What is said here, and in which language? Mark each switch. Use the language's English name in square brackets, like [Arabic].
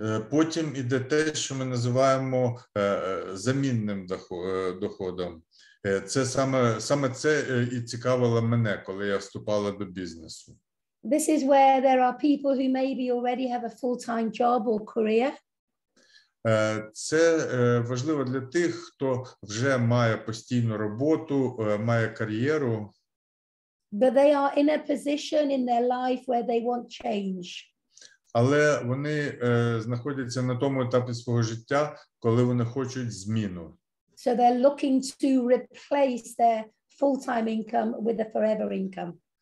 [Ukrainian] Потім іде те, що ми називаємо замінним доходом. Це саме це і цікавило мене, коли я вступала до бізнесу. [English] This is where there are people who maybe already have a full-time job or career. [Ukrainian] Це важливо для тих, хто вже має постійну роботу, має кар'єру. [English] But they are in a position in their life where they want change. [Ukrainian] Але вони знаходяться на тому етапі свого життя, коли вони хочуть зміну. [English] So they're looking to replace their full-time income with a forever income.